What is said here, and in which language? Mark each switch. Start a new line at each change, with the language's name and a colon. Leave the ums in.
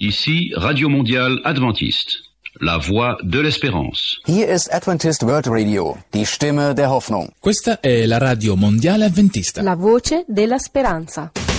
French: Ici Radio Mondiale Adventiste, la voix de l'espérance.
English: Here is Adventist World Radio,
German: die Stimme der Hoffnung.
Italian: Questa è la Radio Mondiale Adventista, la voce della speranza.